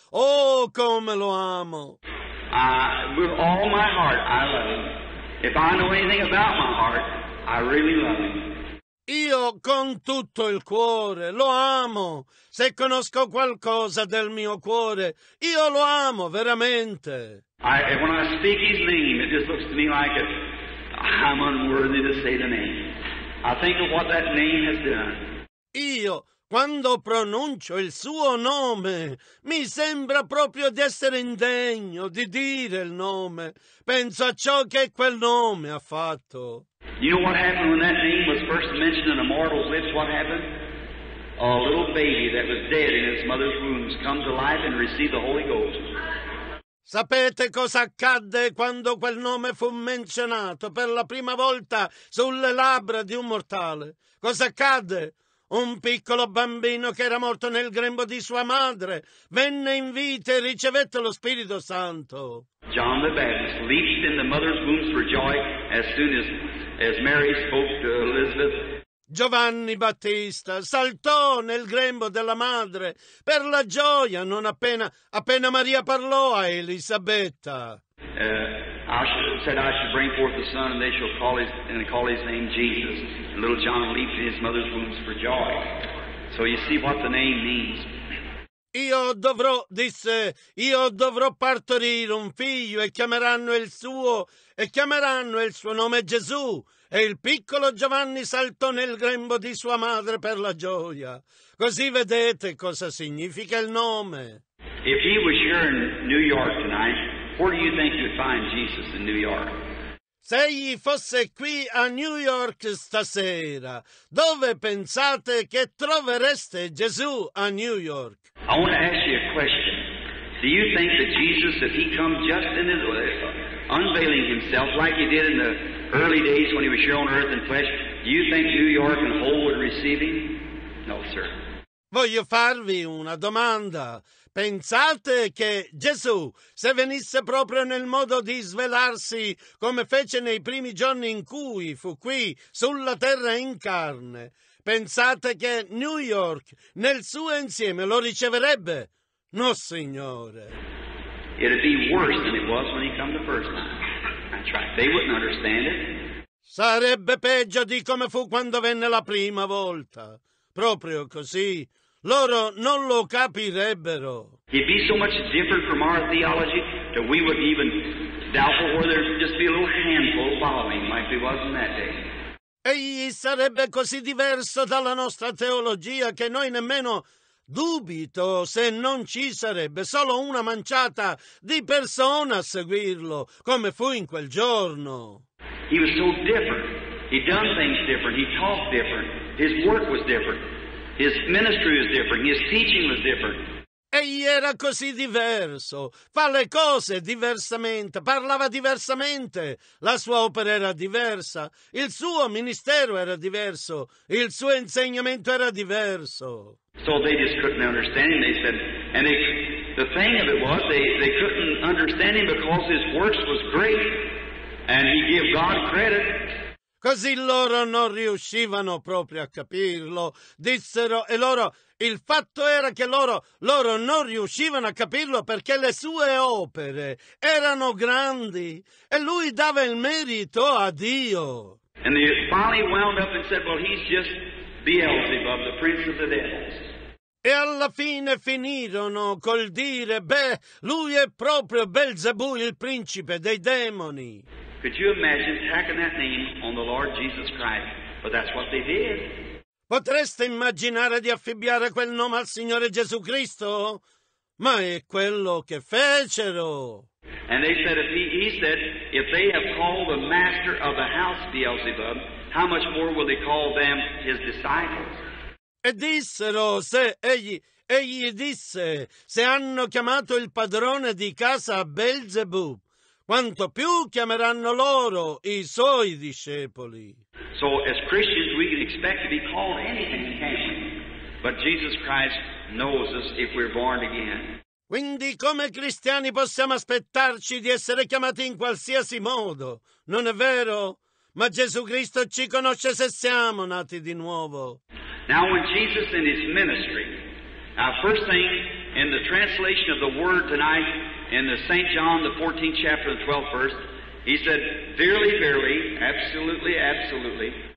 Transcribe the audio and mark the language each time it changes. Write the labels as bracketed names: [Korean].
[Italian] Oh, come lo amo. [English] With all my heart, I love Him. If I know anything about my heart, I really love Him. [Italian] Io con tutto il cuore lo amo. Se conosco qualcosa del mio cuore, io lo amo veramente. [English] When I speak his name, it just looks to me like I'm unworthy to say the name. I think of what that name has done. [Italian] Io, quando pronuncio il suo nome, mi sembra proprio di essere indegno di dire il nome. Penso a ciò che quel nome ha fatto. [English] You know what happened when that name was first mentioned in a mortal's lips? What happened? A little baby that was dead in its mother's wombs comes alive and receives the Holy Ghost. [Italian] Sapete cosa accadde quando quel nome fu menzionato per la prima volta sulle labbra di un mortale? Cosa accadde? Un piccolo bambino che era morto nel grembo di sua madre venne in vita e ricevette lo Spirito Santo. [English] John the Baptist leaped in the mother's wombs for joy as soon as Mary spoke to Elizabeth. [Italian] Giovanni Battista saltò nel grembo della madre per la gioia non appena Maria parlò a Elisabetta. [English] I should bring forth the son and they shall call his name Jesus. And little John leaped in his mother's wombs for joy. So you see what the name means. [Italian] Io dovrò partorire un figlio e chiameranno il suo nome Gesù. E il piccolo Giovanni saltò nel grembo di sua madre per la gioia. Così vedete cosa significa il nome. [English] If he was here in New York tonight, where do you think you'd find Jesus in New York? [Italian] Se egli fosse qui a New York stasera, dove pensate che trovereste Gesù a New York? [English] I want to ask you a question. Do you think that Jesus, if he come just in his unveiling himself like he did in the early days when he was here on earth in flesh, do you think New York and whole would receive him? No, sir. [Italian] Voglio farvi una domanda. Pensate che Gesù, se venisse proprio nel modo di svelarsi come fece nei primi giorni in cui fu qui sulla terra in carne, pensate che New York nel suo insieme lo riceverebbe? No, Signore. [English] It'd be worse than it was when he came the first time. That's right. They wouldn't understand it. [Italian] Sarebbe peggio di come fu quando venne la prima volta. Proprio così. Loro non lo capirebbero. [English] It'd be so much different from our theology that we would even doubt whether there'd just be a little handful following like there was in that day. [Italian] Egli sarebbe così diverso dalla nostra teologia che noi nemmeno dubito se non ci sarebbe solo una manciata di persone a seguirlo, come fu in quel giorno. [English] He was so different. He done things different. He talked different. His work was different. His ministry was different. His teaching was different. [Italian] Egli era così diverso. Fa le cose diversamente. Parlava diversamente. La sua opera era diversa. Il suo ministero era diverso. Il suo insegnamento era diverso. [English] So they just couldn't understand him. They said, and the thing of it was, they couldn't understand him because his works was great, and he gave God credit. [Italian] Così loro non riuscivano proprio a capirlo. Dissero, e loro, il fatto era che loro non riuscivano a capirlo perché le sue opere erano grandi e lui dava il merito a Dio. [English] And they finally wound up and said, well, he's just Beelzebub, the prince of the devils. [Italian] E alla fine finirono col dire, beh, lui è proprio Belzebù, il principe dei demoni. [English] Could you imagine tacking that name on the Lord Jesus Christ? But that's what they did. [Italian] Potreste immaginare di affibbiare quel nome al Signore Gesù Cristo? Ma è quello che fecero. [English] And they said, if they have called the master of the house Beelzebub, how much more will they call them his disciples? [Italian] E dissero, se egli disse, se hanno chiamato il padrone di casa Belzebù, quanto più chiameranno loro i suoi discepoli. [English] So as Christians we can expect to be called anything, can't we? But Jesus Christ knows us if we're born again. [Italian] Quindi come cristiani possiamo aspettarci di essere chiamati in qualsiasi modo, non è vero? Ma Gesù Cristo ci conosce se siamo nati di nuovo. [English] Now when Jesus in his ministry, our first thing in the translation of the word tonight in the St. John, the 14th chapter, the 12th verse, he said, verily, verily, absolutely, absolutely.